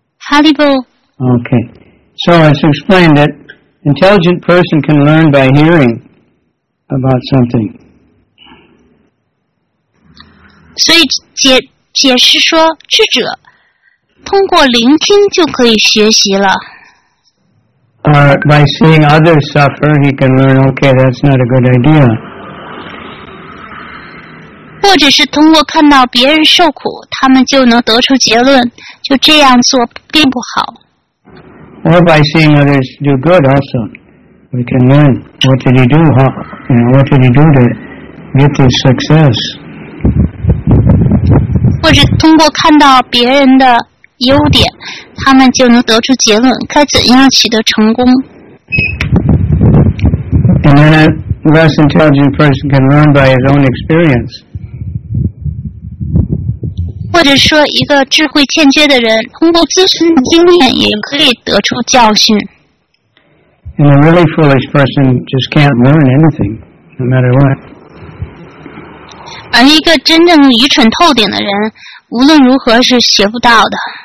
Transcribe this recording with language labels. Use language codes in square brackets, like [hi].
[en] Okay, so as explained, that intelligent person can learn by hearing about something. [zh] 所以解释说，智者通过聆听就可以学习了。 [en] By seeing others suffer, he can learn. Okay, that's not a good idea. [zh] 或者是通过看到别人受苦，他们就能得出结论。就这样做并不好。 [en] Or by seeing others do good also, we can learn what did he do, what did he do to get this success. [zh] 或者通过看到别人的优点，他们就能得出结论，该怎样取得成功。 [en] And then a less intelligent person can learn by his own experience. [zh] 或者说一个智慧欠缺的人通过自身的经验也可以得出教训。 [en] And a really foolish person just can't learn anything, no matter what. [zh] 而一个真正愚蠢透顶的人无论如何是学不到的。